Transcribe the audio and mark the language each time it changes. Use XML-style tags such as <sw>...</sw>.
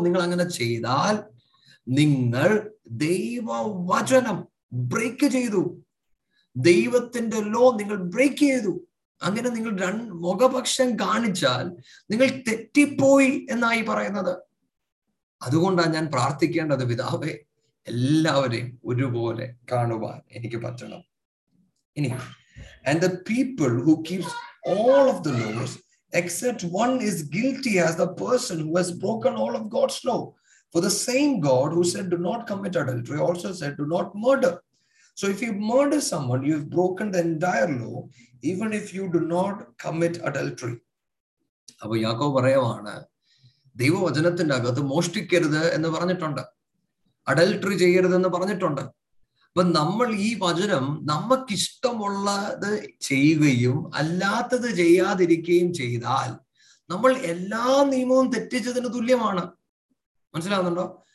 <ml>നിങ്ങൾ അങ്ങനെ ചെയ്താൽ നിങ്ങൾ ദൈവവചനം ബ്രേക്ക് ചെയ്തു, ദൈവത്തിന്റെ ലോ നിങ്ങൾ ബ്രേക്ക് ചെയ്തു. അങ്ങനെ നിങ്ങൾ മുഖപക്ഷം കാണിച്ചാൽ നിങ്ങൾ തെറ്റിപ്പോയി എന്നായി പറയുന്നത്. അതുകൊണ്ടാണ് ഞാൻ പ്രാർത്ഥിക്കേണ്ടത്, പിതാവേ എല്ലാവരെയും ഒരുപോലെ കാണുവാൻ എനിക്ക് പറ്റണം.</ml> <en>ഇനി, and the people who keeps all of the laws except one is guilty as the person who has broken all of God's law. For the same God who said do not commit adultery also said do not murder. So if you murder someone, you have broken the entire law, even if you do not commit adultery.</en> <ml>അപ്പോൾ യാക്കോബ് പറയുവാണ്, ദൈവവചനത്തിന്റെ അകത്ത് മോഷ്ടിക്കരുത് എന്ന് പറഞ്ഞിട്ടുണ്ട്, adultery ചെയ്യരുതെന്ന് പറഞ്ഞിട്ടുണ്ട്. അപ്പൊ നമ്മൾ ഈ വചനം നമുക്കിഷ്ടമുള്ളത് ചെയ്യുകയും അല്ലാത്തത് ചെയ്യാതിരിക്കുകയും ചെയ്താൽ നമ്മൾ എല്ലാ നിയമവും തെറ്റിച്ചതിന് തുല്യമാണ്. മനസ്സിലാവുന്നുണ്ടോ?</ml>